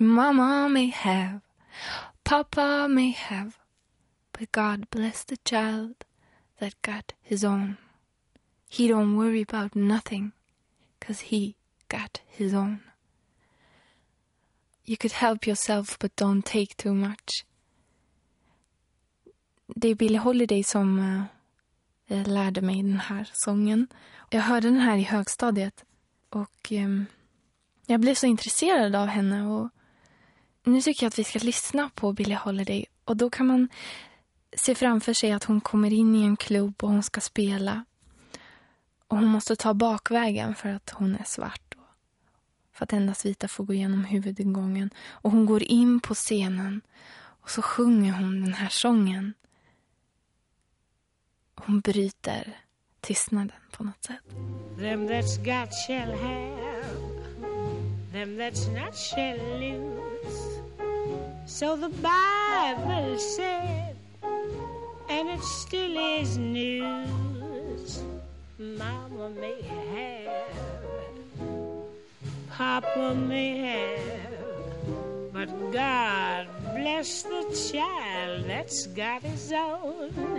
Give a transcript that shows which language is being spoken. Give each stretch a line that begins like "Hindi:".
English: Mama may have, Papa may have, but God bless the child that got his own. He don't worry about nothing, 'cause he got his own. You could help yourself, but don't take too much.
Swedish: Det är Billie Holiday som lärde mig den här sången. Jag hörde den här i högstadiet och jag blev så intresserad av henne. Och nu tycker jag att vi ska lyssna på Billie Holiday. Och då kan man se framför sig att hon kommer in i en klubb och hon ska spela. Och hon måste ta bakvägen för att hon är svart. Och för att endast vita får gå igenom huvudingången. Och hon går in på scenen och så sjunger hon den här sången. Hon bryter tystnaden på något sätt.
English: Them that's got shall have, them that's not shall lose. So the Bible said, and it still is news. Mama may have, Papa may have, but God bless the child that's got his own.